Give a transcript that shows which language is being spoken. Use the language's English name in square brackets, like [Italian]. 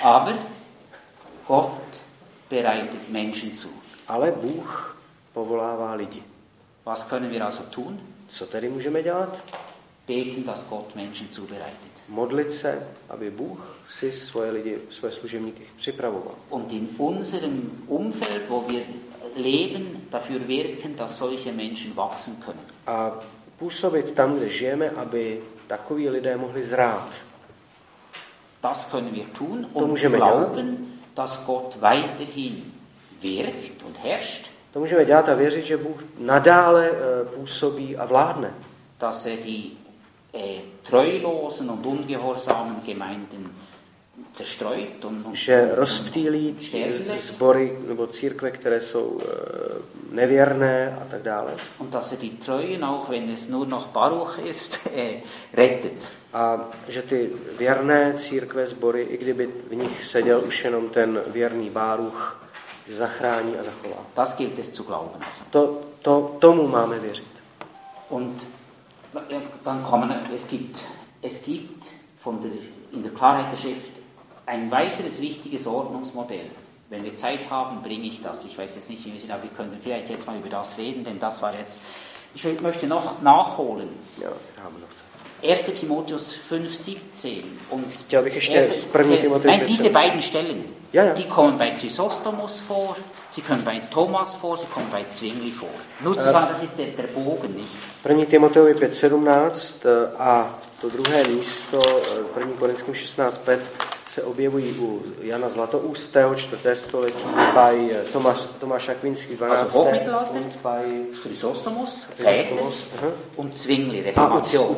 [German] Aber Gott bereitet Menschen zu. [Czech] Ale Bůh povolává lidi. [German] Was können wir also tun? [Czech] Co tedy můžeme dělat? [German] Beten, dass Gott Menschen zubereitet. [Czech] Modlit se, aby Bůh si svoje lidi, svoje služebníky připravoval. [German] Und in unserem Umfeld, wo wir leben, dafür wirken, dass solche Menschen wachsen können. [Czech] A působit tam, kde žijeme, aby takoví lidé mohli zrát. [German] Das können wir tun und glauben, [Czech] dělat. [German] Dass Gott weiterhin wirkt und herrscht. [Czech] To můžeme dělat a věřit, že Bůh nadále působí a vládne. [German] Dass er die treulosen und ungehorsamen Gemeinden zerstreut und [Czech] že rozptýlí sbory nebo církve, které jsou nevěrné a tak dále. [German] Und dass er die treuen, auch wenn es nur noch Baruch ist, rettet. [Czech] A že ty věrné církve, sbory, i kdyby v nich seděl už jenom ten věrný Baruch, zachrání a zachová. [German] Das gilt es zu glauben. [Czech] To tomu máme věřit. [German] Und dann kommen es gibt von der in der Klarheit der Schrift ein weiteres wichtiges Ordnungsmodell. Wenn wir Zeit haben, bringe ich das. Ich weiß jetzt nicht, wie wir sind, aber wir können vielleicht jetzt mal über das reden, denn das war jetzt Ich möchte noch nachholen. Ja, wir haben noch Zeit. 1. Timotheus 5, 17. Und ja, welche Stelle? Diese beiden Stellen. Ja, ja. Die kommen bei Chrysostomus vor, sie kommen bei Thomas vor, sie kommen bei Zwingli vor. Nur zu sagen, das ist der Bogen, nicht? [Czech] 1. Timotheus 5, 17 a to druhé místo, 1. Korinským 16, 5, se objevují u Jana Zlatoustého, 4. století, [German] bei [Czech] Tomáš Akvinský, 12. [German] Also Hochmittelalter, bei Chrysostomus, Väter und Zwingli, Reformation.